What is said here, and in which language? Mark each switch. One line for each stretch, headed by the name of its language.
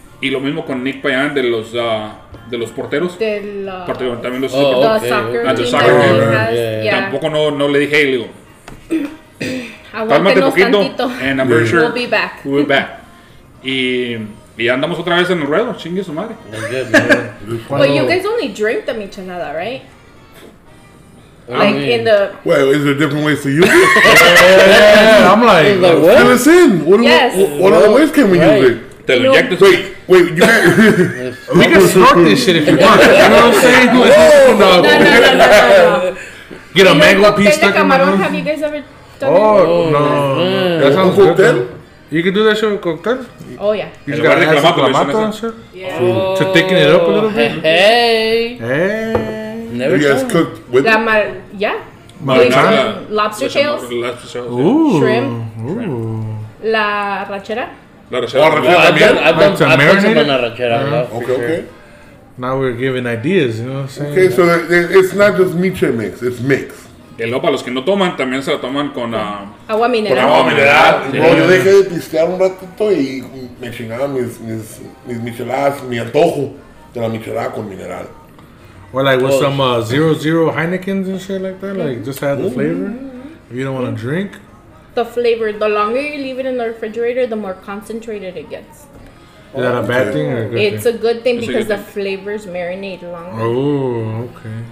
Spanish: Y lo mismo con Nick Payan de los porteros. También los
English: soccer
Spanish: team. Tampoco no le dije, hey, le digo, cálmate poquito.
English: And I'm pretty sure we'll be back. Y andamos otra vez en el ruedo, chingue su madre. But you guys only drink the Michelada, right? Is there different ways to use it? Yeah. I'm like, what? Fill us in. What other ways can we use it? Wait, you can't. We can snort this shit if you want. You know what I'm saying? Whoa, no. Get a mango piece stuck in my mouth. Have you guys ever done that? Oh, no. That sounds good. You can do that show with cocktails? Oh, yeah. You just gotta have some clamato and shit? Yeah. Oh. To thicken it up a little bit? Hey! Hey! Never you guys cooked with that? Yeah. Maritana? Lobster tails? Lobster tails. Yeah. Ooh. Shrimp. Ooh. La ranchera? La ranchera. I've done some ranchera. Okay. Now we're giving ideas, you know what I'm saying? Okay, so it's not just miche mix, it's mix.
Spanish: El agua, los que no toman, también se la toman con agua mineral. Con agua mineral. Sí. Bro, yo dejé de pistear un ratito y me chingaba mis micheladas, mi antojo de la michelada con mineral.
English: Or like with some 00 Heinekens and shit like that, like just add the flavor. If you don't want to drink. The flavor, the longer you leave it in the refrigerator, the more concentrated it gets. Is that a bad thing or a good thing? It's a good thing because the flavors marinate longer. Oh, okay.